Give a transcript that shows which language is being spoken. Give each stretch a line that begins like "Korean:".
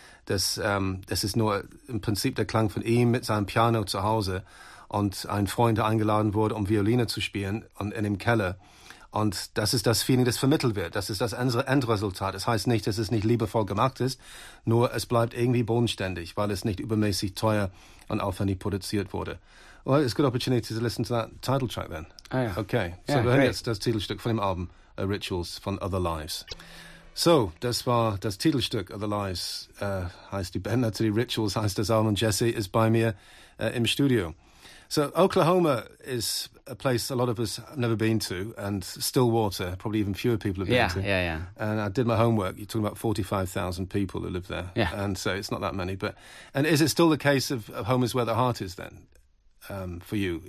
German: Das ist nur im Prinzip der Klang von ihm mit seinem Piano zu Hause. Und ein Freund, der eingeladen wurde, um Violine zu spielen in dem Keller. Und das ist das Feeling, das vermittelt wird. Das ist das Endresultat. Das heißt nicht, dass es nicht liebevoll gemacht ist, nur es bleibt irgendwie bodenständig, weil es nicht übermäßig teuer und aufwendig produziert wurde.
English: Well, it's a good opportunity to listen to that title track then. Oh, yeah. Okay, yeah,
German: so wir hören jetzt das Titelstück von dem Album Rituals von Other Lives. So, das war das Titelstück Other Lives. Heißt die Band natürlich, Rituals heißt das Album. Jesse ist bei mir im Studio.
English: So Oklahoma is a place a lot of us have never been to, and Stillwater, probably even fewer people have been to. Yeah, yeah, yeah. And I did my homework. You're talking about 45,000 people who live there. Yeah. And so it's not that many. And is it still the case of home is where the heart is then for you?